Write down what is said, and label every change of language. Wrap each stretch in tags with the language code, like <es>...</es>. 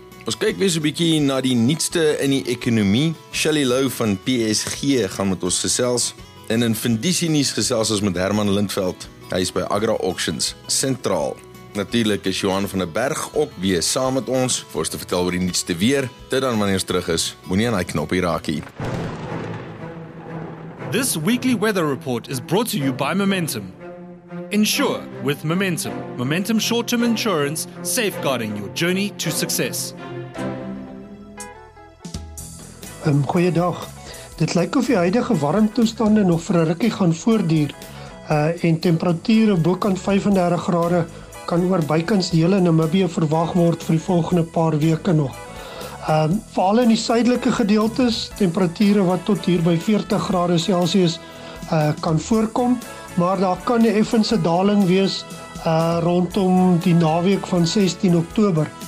<af>Ons kyk weer so 'n bietjie na die nuutste in die ekonomie. Shelley Lou van PSG gaan met ons gesels en in Vindisie nuus gesels ons met Herman Lindveld. Hy is by Agra Auctions Sentraal. Natuurlik is Johan van der Berg ook weer saam met ons vir ons te vertel oor die nuutste weer. Dit dan wanneer ons terug is. Moenie aan hy knoppie raak nie.</af> <en>This weekly weather report is brought to you by Momentum. Insure with Momentum. Momentum short-term insurance safeguarding your journey to success.</en> <af>Goeiedag. Dit lyk of die huidige warmtoestande nog vir 'n rukkie gaan voortduur. En temperature bokant 35 grade kan oor bykans dele in Namibië verwag word vir die volgende paar weke nog. Veral in die suidelike gedeeltes, temperature wat tot hier by 40 grade Celsius kan voorkom, maar daar kan 'n effense daling wees rondom die naweek van 16 Oktober.</af>